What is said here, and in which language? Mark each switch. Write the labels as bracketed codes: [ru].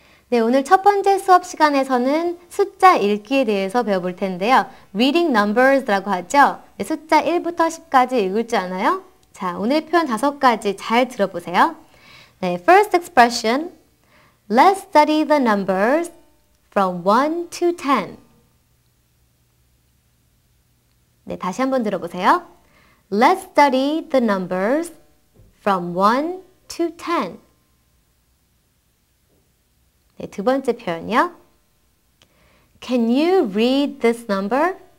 [ko] 네, 오늘 첫 번째 수업 시간에서는 숫자 읽기에 대해서 배워볼 텐데요. [en] Reading numbers [ko] 라고 하죠. 네, 숫자 1부터 10까지 읽을 줄 아나요? 자, 오늘 표현 다섯 가지 잘 들어보세요. [en] 네, first expression, let's study the numbers from 1 to 10. [ko] 네, 다시 한번 들어보세요. [en] Let's study the numbers from 1 to 10. 네, [ko] 두 번째 표현이요. [en] Can you read this number?